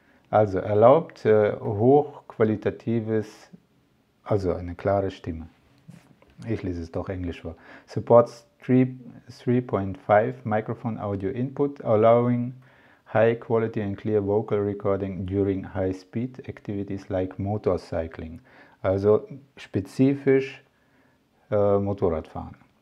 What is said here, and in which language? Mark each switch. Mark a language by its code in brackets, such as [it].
[de] Also erlaubt hochqualitatives, also eine klare Stimme. Ich lese es doch Englisch vor. [en] Supports 3.5 Microphone Audio Input, allowing High quality and clear vocal recording during high speed activities like motorcycling. [de] Also spezifisch Motorradfahren.